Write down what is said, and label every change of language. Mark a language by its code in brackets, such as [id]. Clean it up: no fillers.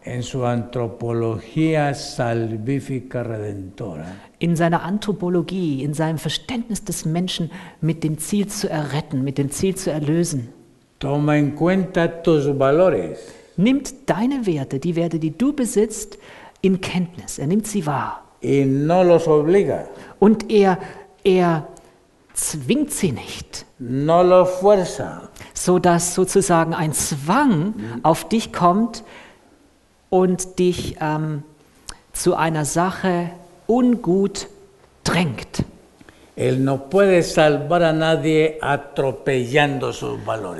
[es] en su antropología salvífica redentora, [de] in seiner Anthropologie, in seinem Verständnis des Menschen mit dem Ziel zu erretten, mit dem Ziel zu erlösen, [es] toma en cuenta tus valores, [de] nimmt deine Werte, die Werte, die du besitzt, in Kenntnis. Er nimmt sie wahr. [es] Y no los obliga. [de] Und er zwingt sie nicht. [es] No lo fuerza. [de] So dass sozusagen ein Zwang auf dich kommt und dich zu einer Sache ungut drängt. [es] Él no puede salvar a nadie atropellando sus valores.